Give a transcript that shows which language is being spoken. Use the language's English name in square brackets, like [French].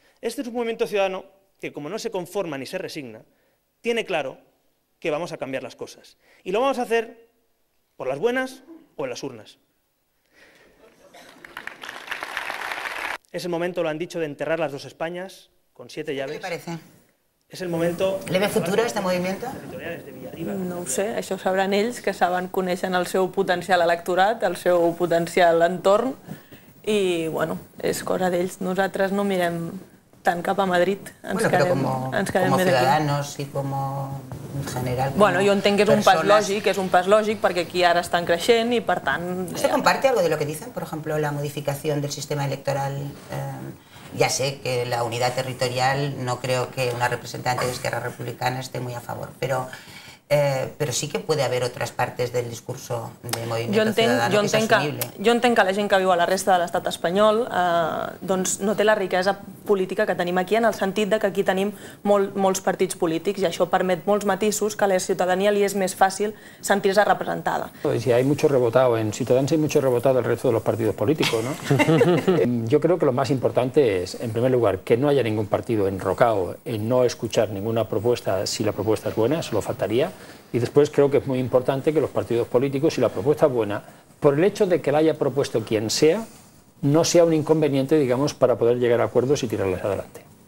[Spanish] Este es un movimiento ciudadano que, como no se conforma ni se resigna, tiene claro que vamos a cambiar las cosas. Y lo vamos a hacer por las buenas o en las urnas. Es el momento, lo han dicho, de enterrar las dos Españas con siete llaves. ¿Qué le parece? Es el momento... ¿Le ve futuro a este movimiento? [Catalan] No ho sé, això ho sabran ells, que saben, coneixen el seu potencial electorat, el seu potencial entorn, i, bueno, és cosa d'ells. Nosaltres no mirem tant cap a Madrid. Ciudadanos i com en general... Bueno, jo entenc que és persones... un pas lògic, perquè aquí ara estan creixent i, per tant... [Spanish] ¿Se comparte algo de lo que dicen, por ejemplo, la modificación del sistema electoral? Ya sé que la unidad territorial, no creo que una representante de Esquerra Republicana esté muy a favor, pero [Catalan] però sí que pot haver altres parts del discurs del moviment ciutadà que és assumible. Jo entenc que la gent que viu a la resta de l'estat espanyol no té la riquesa política que tenim aquí, en el sentit que aquí tenim molts partits polítics i això permet molts matisos que a la ciutadania li és més fàcil sentir-se representada. [Spanish] Si hay mucho rebotado en Ciudadanos, hay mucho rebotado el resto de los partidos políticos, ¿no? Yo creo que lo más importante es, en primer lugar, que no haya ningún partido enrocado en no escuchar ninguna propuesta si la propuesta es buena, solo faltaría. Y después creo que es muy importante que los partidos políticos, si la propuesta es buena, por el hecho de que la haya propuesto quien sea, no sea un inconveniente, digamos, para poder llegar a acuerdos y tirarlas adelante.